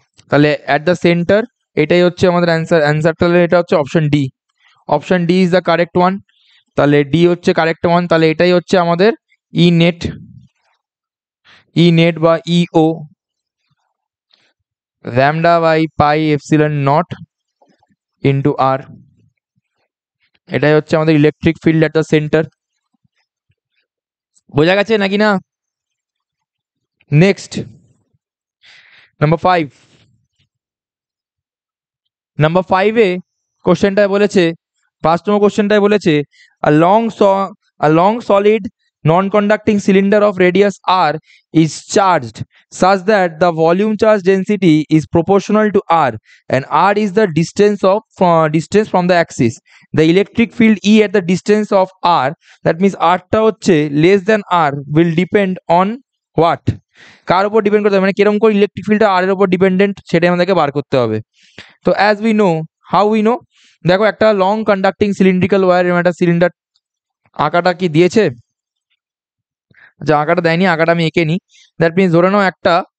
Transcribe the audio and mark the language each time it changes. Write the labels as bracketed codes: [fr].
[bn] তাহলে at the centre এটাই হচ্ছে আমাদের অ্যান্সার, অ্যান্সার তাহলে এটা হচ্ছে option D, option D is the correct one, তাহলে ডি হচ্ছে কারেক্ট ওয়ান, তাহলে এটাই হচ্ছে আমাদের ই নেট, ই নেট বা ই ও lambda by pi epsilon not into আর, এটাই হচ্ছে আমাদের electric field at the centre. বোঝা গেছে নাকি না? নেক্সট নাম্বার 5, নাম্বার 5 এ কোশ্চেনটায় বলেছে, [en] পাঁচতম কোশ্চেনটায় বলেছে a long solid non-conducting cylinder of radius r is charged such that the volume charge density is proportional to r and r is the distance of distance from the axis. The electric field E at the distance of r, that means [bn] r ta hocche [en] less than r, will depend on what? [bn] কার উপর depend করতে হবে, মানে কিরকম করে electric ফিল্ডটা আর এর উপর dependent সেটাই আমাদেরকে বার করতে হবে। তো [en] as we know, how we know, [bn] দেখো একটা লং কন্ডাক্টিং সিলিন্ড্রিক্যাল ওয়ার, একটা সিলিন্ডার আঁকাটা কি দিয়েছে? আচ্ছা আঁকাটা দেয়নি, আঁকাটা আমি এঁকে নিই, দ্যাট মিনস ধরে নাও একটা